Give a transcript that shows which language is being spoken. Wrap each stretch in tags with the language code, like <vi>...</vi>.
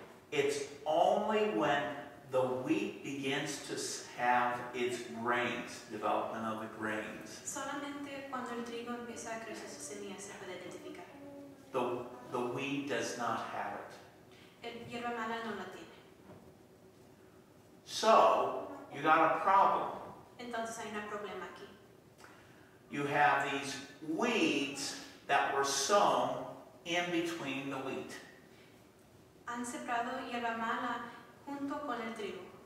<en>It's only when the wheat begins to have its grains, development of the grains,</en> <es>solamente cuando el trigo empieza a crecer sus semillas se puede identificar.</es> <en>The wheat does not have it.</en> <es>El hierba mala no la tiene.</es> <en>So, you got a problem.</en> <es>Entonces hay un problema aquí.</es> <en>You have these weeds that were sown in between the wheat.</en> <es>Han sembrado hierba mala junto con el trigo.</es>